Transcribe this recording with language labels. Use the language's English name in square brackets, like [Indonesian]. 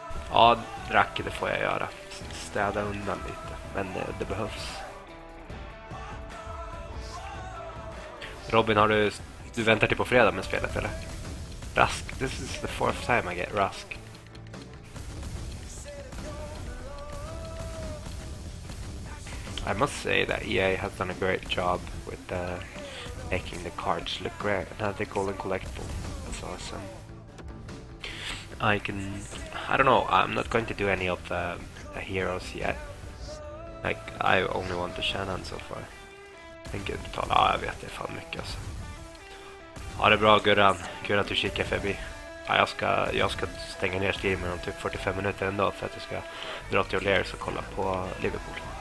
[Swedish] Ja, Dracke, det får jag göra. Städa undan lite, men det behövs. Robin, har du väntar till på fredag med spelet, eller? [English] Rask, this is the fourth time I get Rask. I must say that EA has done a great job with making the cards look great. Now the golden collectible, that's awesome. I don't know, I'm not going to do any of the heroes yet. Like, I only want the Shannon so far. Thank you, Tala. [Swedish] Ja, jag vet, det är fan mycket alltså. Ha det bra, Gurran. Kul att du kikar förbi. Ja, jag ska stänga ner streamen om typ 45 minuter ändå för att jag ska dra till O'Leary och kolla på Liverpool.